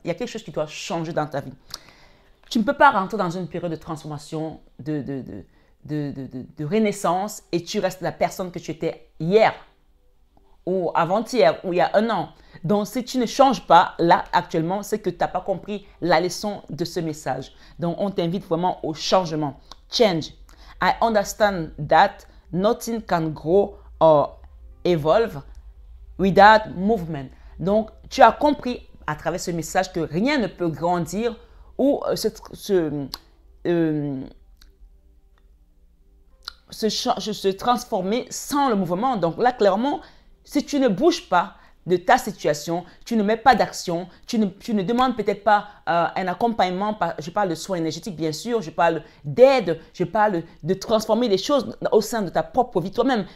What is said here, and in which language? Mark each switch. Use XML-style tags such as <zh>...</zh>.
<fr>Il y a quelque chose qui doit changer dans ta vie. Tu ne peux pas rentrer dans une période de transformation, de renaissance et tu restes la personne que tu étais hier ou avant-hier ou il y a un an. Donc, si tu ne changes pas là actuellement, c'est que tu n'as pas compris la leçon de ce message. Donc, on t'invite vraiment au changement. Change.</fr> <en>I understand that nothing can grow or evolve without movement.</en> <fr>Donc, tu as compris à travers ce message que rien ne peut grandir ou se transformer sans le mouvement. Donc là, clairement, si tu ne bouges pas de ta situation, tu ne mets pas d'action, tu ne demandes peut-être pas un accompagnement, je parle de soins énergétiques, bien sûr, je parle d'aide, je parle de transformer les choses au sein de ta propre vie toi-même.</fr>